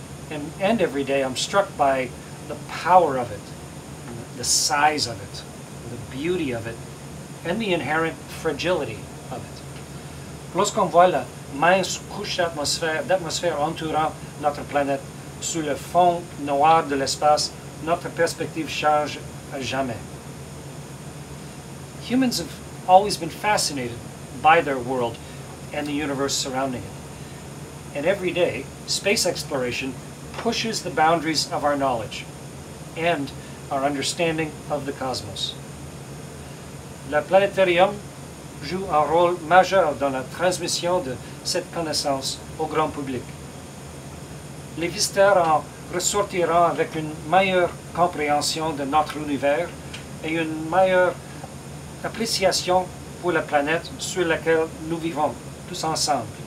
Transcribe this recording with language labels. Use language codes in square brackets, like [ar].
[en] And every day I'm struck by the power of it, the size of it, the beauty of it, and the inherent fragility of it. [fr] Lorsqu'on voit la mince couche d'atmosphère entourant notre planète, sous le fond noir de l'espace, notre perspective change à jamais. [en] Humans have always been fascinated by their world and the universe surrounding it. And every day, space exploration pushes the boundaries of our knowledge and our understanding of the cosmos. [fr] Le planétarium joue un rôle majeur dans la transmission de cette connaissance au grand public. Les visiteurs en ressortiront avec une meilleure compréhension de notre univers et une meilleure appréciation pour la planète sur laquelle nous vivons tous ensemble.